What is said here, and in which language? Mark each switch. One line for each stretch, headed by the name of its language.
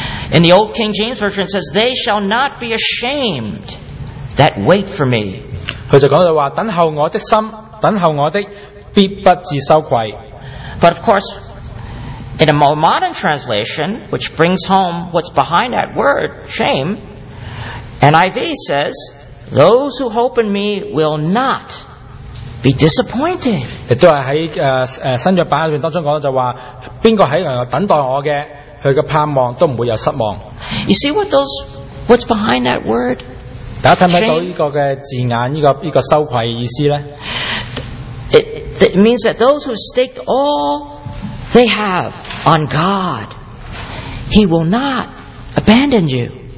English: In the Old King James Version, it says, they shall not be ashamed that wait for me.
Chinese: 他就讲到,等候我的心,等候我的,必不自羞愧.
English: But of course, in a more modern translation, which brings home what's behind that word, shame, NIV says, those who hope in me will not be disappointed.
Chinese: 也都是在新約版裡面當中說的就說誰在等待我的他的盼望都不會有失望.
English: You see what those, what's behind that word?
Chinese: 大家看不看到這個字眼這個羞愧的意思呢?
English: It means that those who staked all they have on God, He will not abandon you.